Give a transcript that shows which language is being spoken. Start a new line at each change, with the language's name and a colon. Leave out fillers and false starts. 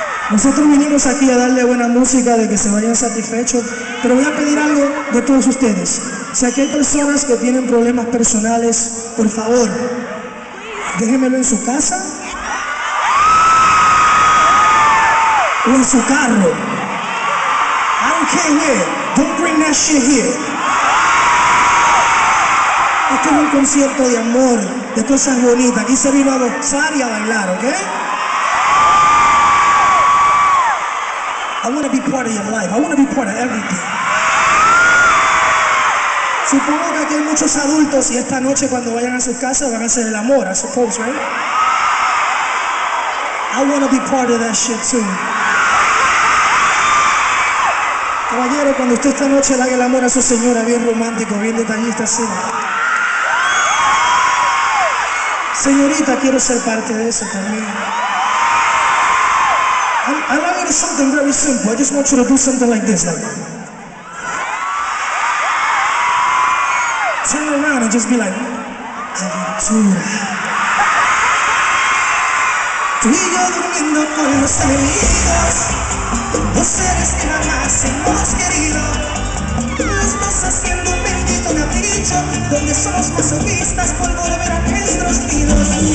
Spanish: Nosotros vinimos aquí a darle buena música, de que se vayan satisfechos, pero voy a pedir algo de todos ustedes. Si aquí hay personas que tienen problemas personales, por favor, déjenmelo en su casa o en su carro.
English: I don't care where, don't bring that shit here.
Spanish: Este es un concierto de amor, de cosas bonitas. Aquí se vino a gozar y a bailar, ¿ok?
English: I want to be part of your life. I want to be part of everything.
Spanish: Supongo que aquí hay muchos adultos y esta noche cuando vayan a sus casas van a hacer el amor,
English: I suppose, right? I want to be part of that shit too.
Spanish: Caballero, cuando usted esta noche le haga el amor a su señora, bien romántico, bien detallista, sí. Señorita, quiero ser parte de eso también.
English: I'm going to do something very simple. I just want you to do something like this. Like, turn around and just be like, aventura.
Spanish: Tú y yo durmiendo con los enemigos, los seres que jamás hemos querido, los dos haciendo un bendito capricho, donde somos masoquistas por volver a nuestros nidos.